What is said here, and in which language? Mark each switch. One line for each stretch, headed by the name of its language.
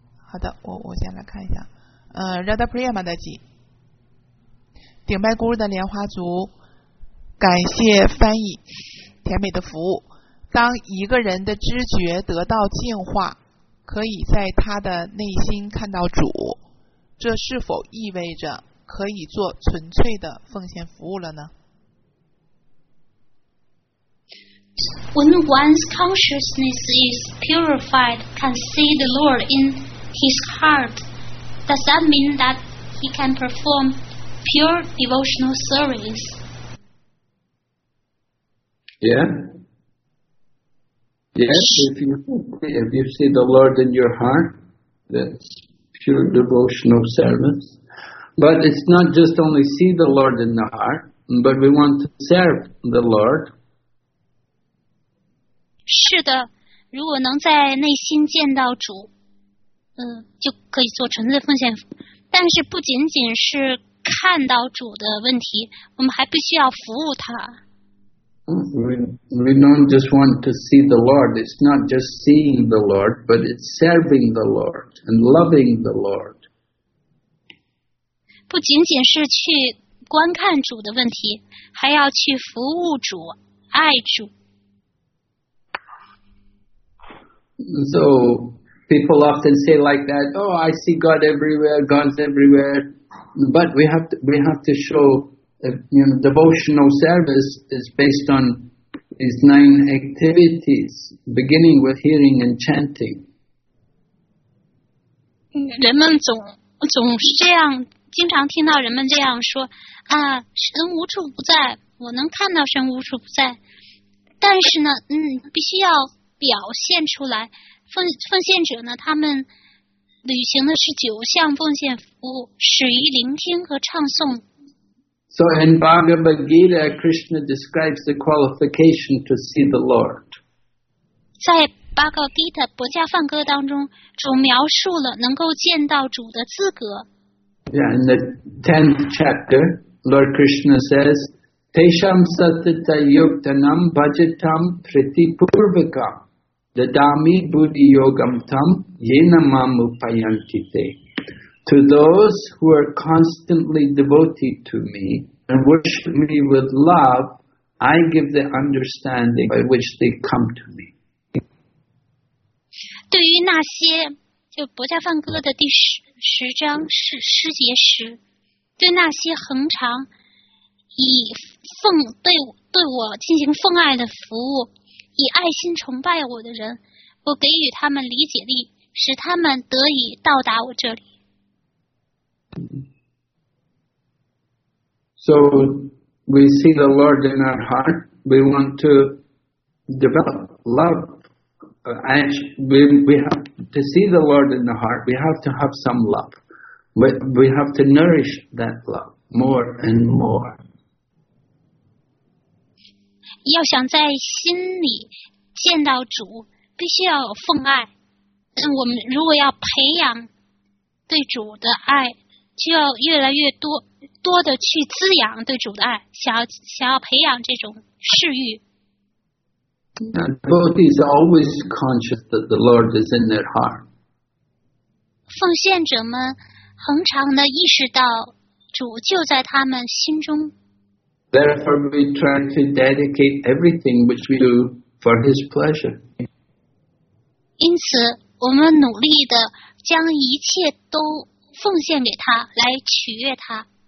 Chinese: 好的，我先来看一下，Radha Priyama 的记，顶拜咕噜的莲花族，感谢翻译甜美的服务。当一个人的知觉得到净化，可以在他的内心看到主，这是否意味着可以做纯粹的奉献服务了呢？
English: When one's consciousness is purified, can see the Lord in his heart, does that mean that he can perform pure devotional service? Yeah. Yes, if you see the Lord in your heart, that's pure devotional service. But it's not just only see the Lord in the heart, but we want to serve the Lord.
Chinese: 是的，如果能在内心见到主，就可以做纯粹奉献，但是不仅仅是看到主的问题，我们还必须要服务他。
English: We don't just want to see the Lord. It's not just seeing the Lord, but it's serving the Lord and loving the Lord.
Chinese: 不仅仅是去观看主的问题，还要去服务主，爱主。
English: So. People often say like that, oh, I see God everywhere, God's everywhere. But we have to show devotional service is based on these nine activities, beginning with hearing and chanting.
Chinese: 人们总是这样，经常听到人们这样说，啊，神无处不在，我能看到神无处不在。但是呢，必须要表现出来。奉献者呢，他们履行的是九项奉献服务，始于聆听和唱诵。
English: So in Bhagavad Gita, Krishna describes the qualification to see the Lord.
Chinese: 在 Bhagavad Gita 薄伽梵歌当中，主描述了能够见到主的资格。
English: Yeah, in the 10th chapter, Lord Krishna says,
Sanskrit: Tesham satita yuktanam bhajatam pritipurvakam. The Dhammi Buddhi Yogam Tam Yena Mamu Payantite.
English: To those who are constantly devoted to me, and worship me with love, I give the understanding by which they come to me.
Chinese: 对于那些就《伯家梵歌》的第十章十节时，对那些恒常以奉对我进行奉爱的服务，以爱心崇拜我的人，我给予他们理解力，使他们得以到达我这里。
English: So we see the Lord in our heart. We want to develop love. We have to see the Lord in the heart. We have to have some love. We have to nourish that love more and more.
Chinese: 要想在心里见到主，必须要有奉爱。我们如果要培养对主的爱，就要越来越多的去滋养对主的爱，想要培养这种嗜欲。
English: Devotee is always conscious that the Lord is in their heart.
Chinese: 奉献者们恒常的意识到主就在他们心中。
English: Therefore, we try to dedicate everything which we do for His pleasure.
Chinese: 因此，我们努力的将一切都奉献给他，来取悦他。